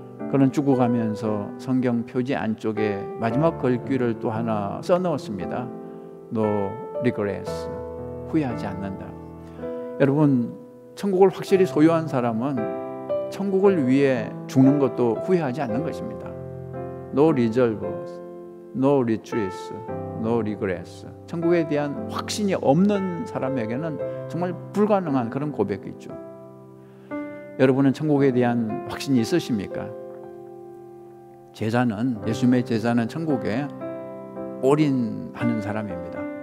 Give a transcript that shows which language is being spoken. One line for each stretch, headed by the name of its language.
Korean: 그는 죽어가면서 성경 표지 안쪽에 마지막 글귀를 또 하나 써넣었습니다.
English: No regrets.
Korean: 후회하지 않는다. 여러분, 천국을 확실히 소유한 사람은 천국을 위해 죽는 것도 후회하지 않는 것입니다.
English: No reserves, no retreats, no regrets.
Korean: 천국에 대한 확신이 없는 사람에게는 정말 불가능한 그런 고백이죠. 여러분은 천국에 대한 확신이 있으십니까? 제자는, 예수님의 제자는 천국에 올인하는 사람입니다.